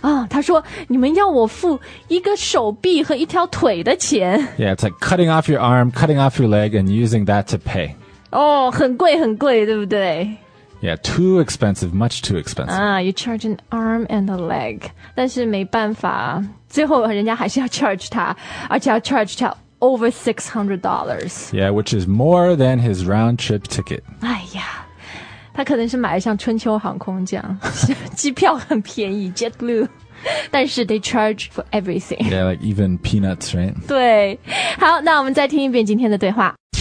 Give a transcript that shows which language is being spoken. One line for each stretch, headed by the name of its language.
Chinese: 他说你们要我付一个手臂和一条腿的钱。
English: Yeah, it's like cutting off your arm, cutting off your leg and using that to pay.
Chinese: 很贵很贵，对不对？
English: Yeah, too expensive, much too expensive. You charge an arm and a leg.
Chinese: 但是没办法，最后人家还是要 charge 他，而且要 charge 他
English: over $600. Yeah, which is more than his round trip ticket.
Chinese: 哎呀，他可能是买了像春秋航空这样，机票很便宜 ,JetBlue. 但是
English: they charge for everything. Yeah, like even peanuts, right?
Chinese: 对。好，那我们再听一遍今天的对话。